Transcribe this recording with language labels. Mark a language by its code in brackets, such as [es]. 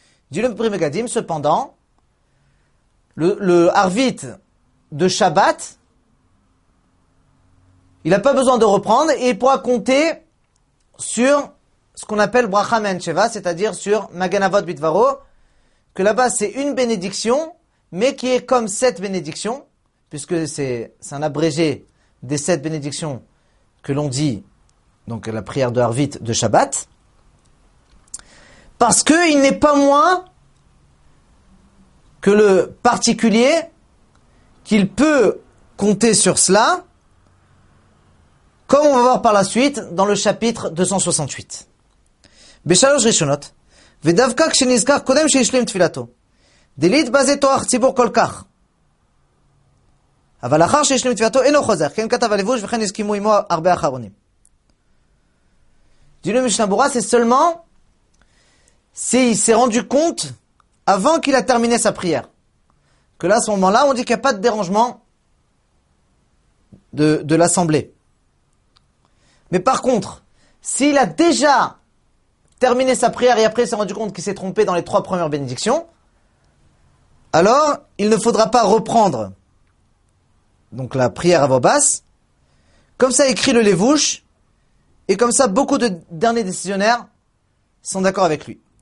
[fr] Dit le Prime Gadim, cependant, le Arvit de Shabbat, il n'a pas besoin de reprendre et il pourra compter sur ce qu'on appelle bracha me'en sheva, c'est-à-dire sur Maganavot Bidvaro, que là-bas c'est une bénédiction, mais qui est comme sept bénédictions, puisque c'est un abrégé des sept bénédictions que l'on dit, donc la prière de Arvit de Shabbat, parce qu'il n'est pas moins que le particulier qu'il peut compter sur cela, comme on va voir par la suite dans le chapitre 268. [he] בשלוש ראשונות, ודווקא כשנזכר קודם שישלים תפילתו, דלית בזה תורח ציבור כל כך. אבל אחר שישלים תפילתו אינו חוזר, כן כתב הלבוש וכן הסכימו עמו הרבה אחרונים. דילו משנה ברורה, [fr] c'est seulement s'il s'est rendu compte avant qu'il a terminé sa prière. Que là, à ce moment-là, on dit qu'il n'y a pas de dérangement de l'assemblée. Mais par contre, s'il a déjà terminé sa prière et après il s'est rendu compte qu'il s'est trompé dans les trois premières bénédictions, alors il ne faudra pas reprendre donc la prière à voix basse, comme ça écrit le Lévouche, et comme ça beaucoup de derniers décisionnaires sont d'accord avec lui.